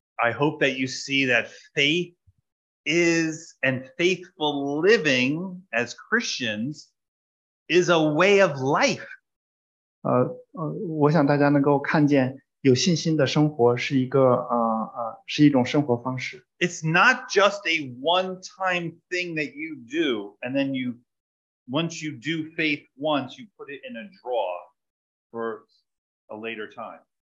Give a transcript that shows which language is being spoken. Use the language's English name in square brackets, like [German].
[English] I hope that you see that faith is, and faithful living as Christians, is a way of life. [Chinese] 我想大家能够看见有信心的生活是一种生活方式。 [English] It's not just a one-time thing that you do, and then you, once you do faith once, you put it in a drawer for a later time.